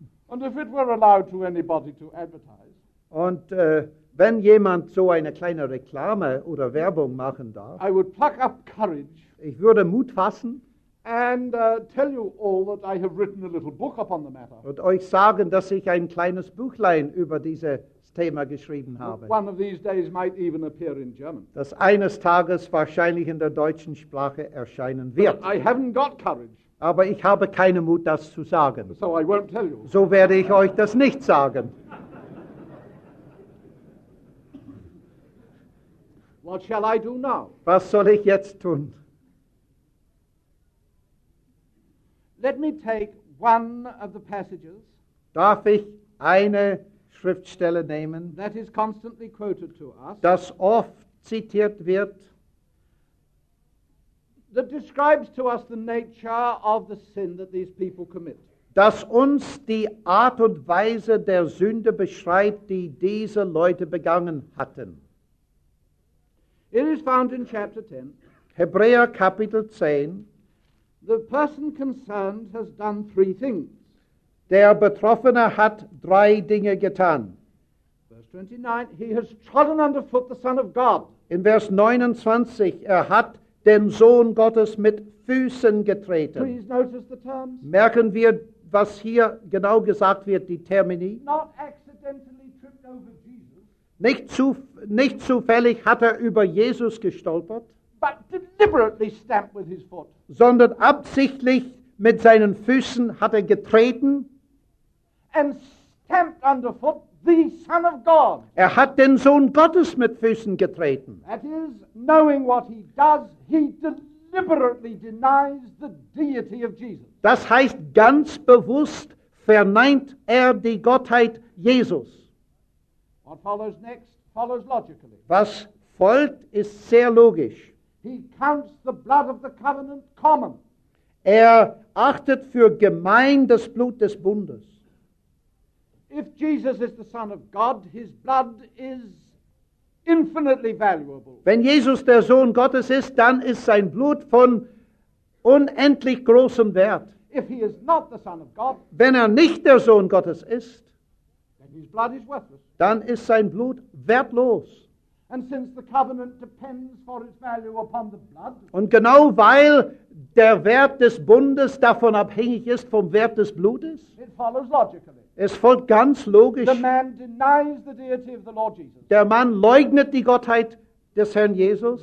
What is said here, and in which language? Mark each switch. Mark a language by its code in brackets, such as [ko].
[en] And if it were allowed to anybody to advertise. [de] Wenn jemand so eine kleine Reklame oder Werbung machen darf, [en] I would pluck up courage, [de] ich würde Mut fassen [en] and tell you all that I have written a little book upon the matter. [de] Und euch sagen, dass ich ein kleines Büchlein über dieses Thema geschrieben habe. [en] One of these days might even appear in German. [de] Das eines Tages wahrscheinlich in der deutschen Sprache erscheinen wird. [en] But I haven't got courage. [de] Aber ich habe keinen Mut, das zu sagen. [en] So I won't tell you. [de] So werde ich euch das nicht sagen. [en] What shall I do now? [de] Was soll ich jetzt tun? [en] Let me take one of the passages. [de] Darf ich eine Schriftstelle nehmen? [en] That is constantly quoted to us. [de] Das oft zitiert wird. [en] That describes to us the nature of the sin that these people commit. [de] Das uns die Art und Weise der Sünde beschreibt, die diese Leute begangen hatten. [en] It is found in chapter 10. [de] Hebräer Kapitel 10. [en] The person concerned has done three things. [de] Der Betroffene hat drei Dinge getan. [en] Verse 29, he has trodden underfoot the Son of God. [de] In Vers 29, hat den Sohn Gottes mit Füßen getreten. [en] Please notice the terms. [de] Merken wir, was hier genau gesagt wird, die Termini. [en] Not accidentally tripped over Jesus. [de] Nicht zufällig hat er über Jesus gestolpert, [en] but deliberately stamped with his foot. [de] Sondern absichtlich mit seinen Füßen hat er getreten. [en] And stamped underfoot the Son of God. [de] Er hat den Sohn Gottes mit Füßen getreten. [en] That is, knowing what he does, he deliberately denies the deity of Jesus. [de] Das heißt, ganz bewusst verneint er die Gottheit Jesus. [en] What follows next follows logically. [de] Was folgt ist sehr logisch. [en] He counts the blood of the covenant common. [de] Er achtet für gemein das Blut des Bundes. [en] If Jesus is the Son of God, his blood is infinitely valuable. [de] Wenn Jesus der Sohn Gottes ist, dann ist sein Blut von unendlich großem Wert. [en] If he is not the Son of God, [de] wenn er nicht der Sohn Gottes ist, [en] his blood is worthless. [de] Dann ist sein Blut wertlos. [en] And since the covenant depends for its value upon the blood, [de] und genau weil der Wert des Bundes davon abhängig ist vom Wert des Blutes, [en] it follows logically. [de] Es folgt ganz logisch. [en] The man denies the deity of the Lord Jesus. [de] Der Mann leugnet die Gottheit des Herrn Jesus.